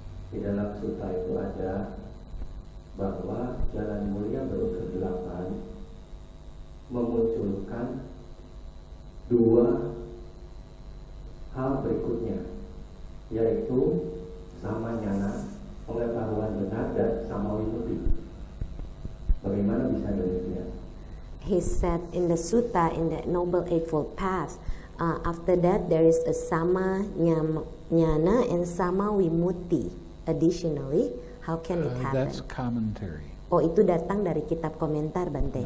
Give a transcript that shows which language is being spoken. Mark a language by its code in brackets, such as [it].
[id] Di dalam sutra itu ada bahwa jalan mulia baru ke-8 memunculkan dua hal berikutnya, yaitu sama nyana, pengetahuan benar, dan sama winuti. Bagaimana bisa demikian? [en] He said in the sutta, in the Noble Eightfold Path, after that there is a sama nyana and sama vimutti. Additionally, how can it happen? That's commentary. [id] Oh, itu datang dari kitab komentar, Bante.